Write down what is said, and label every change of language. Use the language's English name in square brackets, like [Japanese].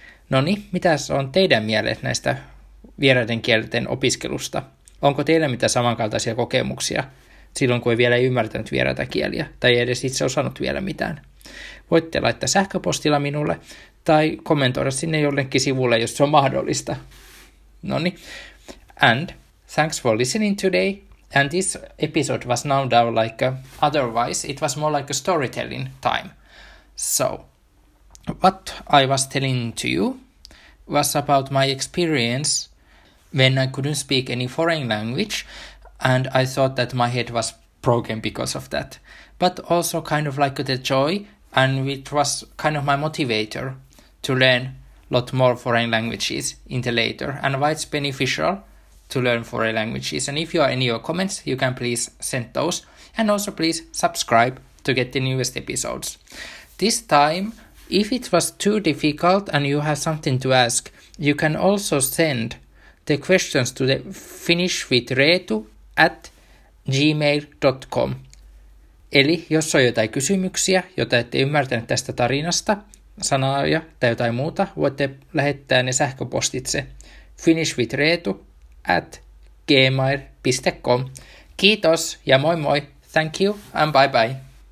[Finnish] No niin, mitä on teidän mielet näistä vieraiden kielten opiskelusta? Onko teillä mitä samankaltaisia kokemuksia silloin, kun ei vielä ymmärtänyt vieraita kieliä tai ei edes itse osannut vielä mitään? Voitte laittaa sähköpostilla minulle tai kommentoida sinne jollekin sivulle, jos se on mahdollista. No niin, [English] and thanks for listening today. And this episode was now down like a, otherwise, it was more like a storytelling time. So, what I was telling to you was about my experience when I couldn't speak any foreign language and I thought that my head was broken because of that. But also kind of like the joy, and it was kind of my motivator to learn a lot more foreign languages in the later, and why it's beneficial to learn foreign languages. And if you have any comments, you can please send those. And also please subscribe to get the newest episodes. This time, if it was too difficult and you have something to ask, you can also send the questions to the finishwithreetu@gmail.com. [Finnish] Eli jos on jotain kysymyksiä, joita ette ymmärtäneet tästä tarinasta, sanaa tai jotain muuta, voitte lähettää ne sähköpostitse finishwithreetu@gmail.com. Kiitos ja moi moi. [English] Thank you and bye bye.